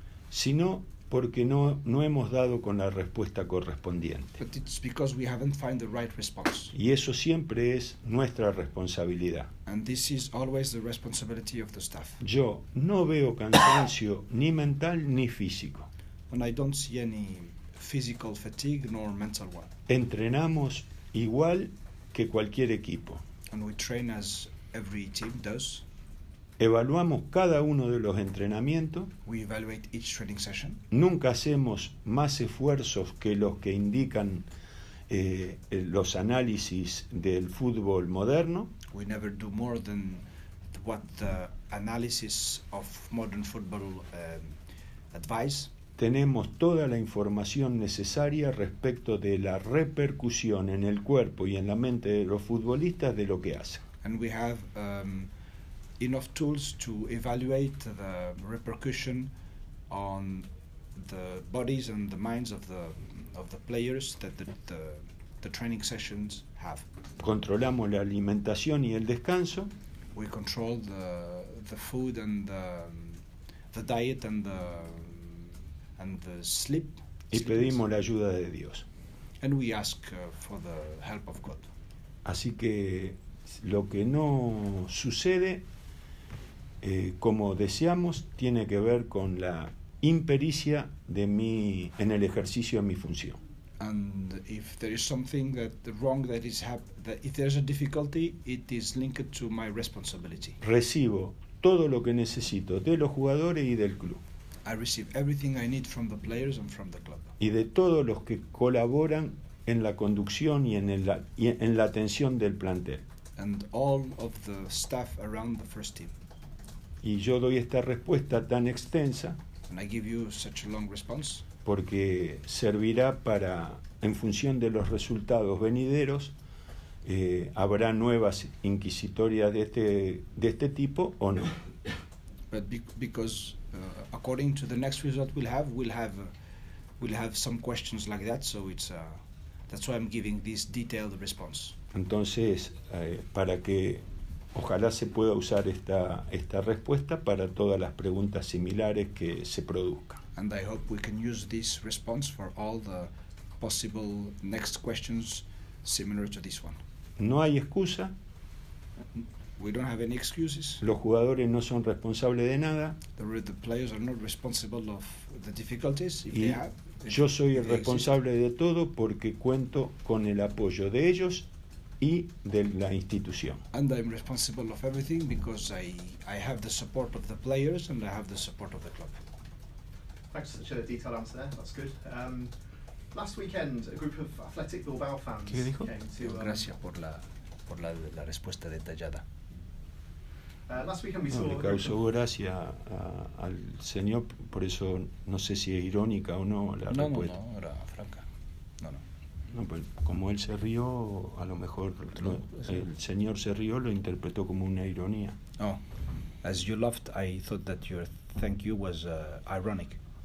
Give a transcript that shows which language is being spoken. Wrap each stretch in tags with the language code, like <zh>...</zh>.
<es>sino porque no hemos dado con la respuesta correspondiente.</es> <en>But it's because we haven't found the right response.</en> <es>Y eso siempre es nuestra responsabilidad.</es> <en>And this is always the responsibility of the staff.</en> <es>Yo no veo cansancio ni mental ni físico.</es> <en>And I don't see any physical fatigue nor mental one.</en> <es>Entrenamos igual que cualquier equipo.</es> <en>And we train as every team does.</en> <es>Evaluamos cada uno de los entrenamientos.</es> <en>We evaluate each training session.</en> <es>Nunca hacemos más esfuerzos que los que indican los análisis del fútbol moderno.</es> <en>We never do more than what the analysis of modern football advise.</en> <es>Tenemos toda la información necesaria respecto de la repercusión en el cuerpo y en la mente de los futbolistas de lo que hacen.</es> <en>And we have enough tools to evaluate the repercussion on the bodies and the minds of the players that the training sessions have.</en> <es>Controlamos la alimentación y el descanso.</es> <en>We control the food and the diet and the sleep.</en> <es>Y pedimos la ayuda de Dios.</es> <en>And we ask for the help of God.</en> <es>Así que lo que no sucede como deseamos tiene que ver con la impericia de mí en el ejercicio de mi función.</es> <en>And if there is something that wrong that is that if there's a difficulty, it is linked to my responsibility.</en> <es>Recibo todo lo que necesito de los jugadores y del club.</es> <en>I receive everything I need from the players and from the club.</en> <es>Y de todos los que colaboran en la conducción y en la atención del plantel.</es> <en>And all of the staff around the first team.</en> <es>Y yo doy esta respuesta tan extensa.</es> <en>And I give you such a long response.</en> <es>Porque servirá para, en función de los resultados venideros, habrá nuevas inquisitorias de este tipo o no.</es> <en>But because according to the next result we'll have some questions like that, so it's that's why I'm giving this detailed response.</en> <es>Entonces, para que ojalá se pueda usar esta respuesta para todas las preguntas similares que se produzcan.</es> <en>And I hope we can use this response for all the possible next questions similar to this one.</en> <es>No hay excusa.</es> <en>We don't have any excuses.</en> <es>Los jugadores no son responsables de nada.</es> <en>The players are not responsible of the difficulties if they have.</en> <es>Yo soy el responsable de todo porque cuento con el apoyo de ellos y de la institución.</es> <en>And I'm responsible of everything because I have the support of the players and I have the support of the club. Thanks for the detailed answer there. That's good. Last weekend, a group of Athletic Bilbao fans</en> <es>¿Qué dijo?</es> <en>Came to.</en> <es>Gracias por la respuesta detallada.</es> <en>Last weekend we saw.</en> <es>Me causó gracia al señor, por eso no sé si es irónica o no la respuesta. No, era franca. No, pues como él se rió, a lo mejor el señor se rió, lo interpretó como una ironía.</es> <en>Oh, as you laughed, I thought that your thank you was ironic.</en>